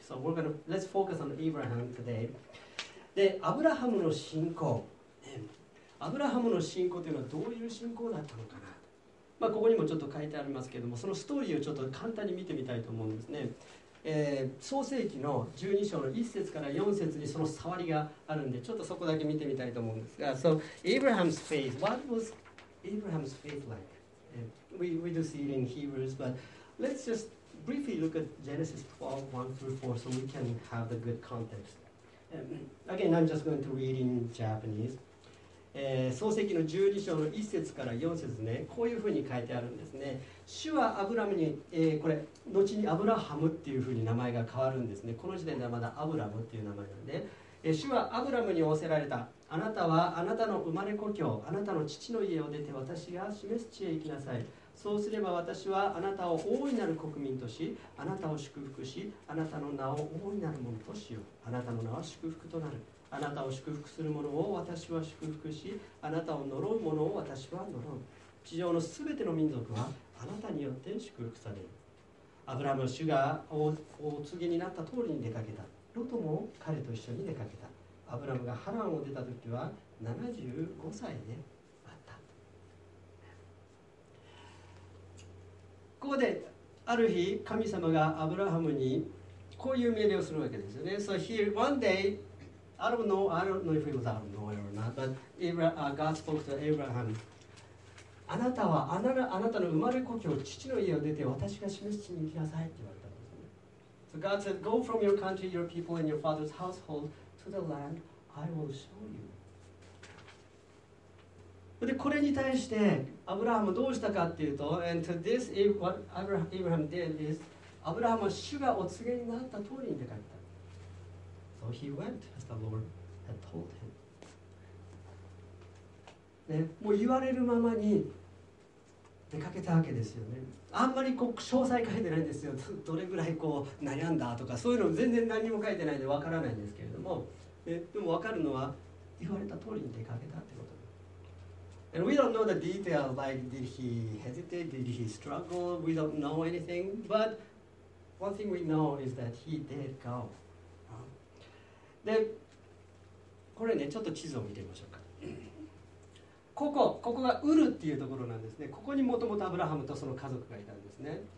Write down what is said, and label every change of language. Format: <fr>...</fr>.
<en>So we're going to let's focus on Abraham today.</en> <ja>で、アブラハムの信仰、ね、アブラハムの信仰というのはどういう信仰だったのかな。まあ、ここにもちょっと書いてありますけれども、そのストーリーをちょっと簡単に見てみたいと思うんですね。創世記の12章の1節から4節にその触りがあるんで、ちょっとそこだけ見てみたいと思うんですが、</ja> <en>So Abraham's faith, what was Abraham's faith like? We do see it in Hebrews, but let's just briefly look at Genesis 12, 1 through 4 so we can have the good context. Again, I'm just going to read in Japanese.</en> <ja>創世記の12章の1節から4節ね、こういうふうに書いてあるんですね。主はアブラムに、これ後にアブラハムっていうふうに名前が変わるんですね。この時点ではまだアブラムっていう名前なんで、主はアブラムに仰せられた。あなたはあなたの生まれ故郷、あなたの父の家を出て私が示す地へ行きなさい。そうすれば私はあなたを大いなる国民とし、あなたを祝福し、あなたの名を大いなるものとしよう。あなたの名は祝福となる。あなたを祝福する者を私は祝福し、あなたを呪う者を私は呪う。地上のすべての民族はあなたによって祝福される。アブラム、主がお告げになった通りに出かけた。ロトも彼と一緒に出かけた。アブラムがハランを出た時は75歳であった。ここである日、神様がアブラハムにこういう命令をするわけですよね。</ja> <en>So here one dayI don't know if it was out of nowhere or not, but God spoke to Abraham.</en> <ja>あなたはあなたの生まれ故郷、父の家を出て私が示す地に行きなさいって言われたんですね。</ja> <en>So God said, go from your country, your people, and your father's household to the land I will show you.</en> <ja>で、これに対してアブラハムどうしたかっていうと、</ja> <en>and to this, what Abraham did is,</en> <ja>アブラハムは主がお告げになった通りに出かけた。</ja> <en>So he went as the Lord had told him.</en> <ja>ね、もう言われるままに出かけたわけですよね。あんまりこう詳細書いてないんですよ。どれぐらいこう悩んだとか、そういうの全然何も書いてないんでわからないんですけれども、ね、でも分かるのは言われた通りに出かけたってこと。</ja> <en>And we don't know the details. Like, did he hesitate? Did he struggle? We don't know anything. But one thing we know is that he did go.</en> <ja>で、これね、ちょっと地図を見てみましょうか。ここがウルっていうところなんですね。ここにもともとアブラハムとその家族がいたんですね。</ja>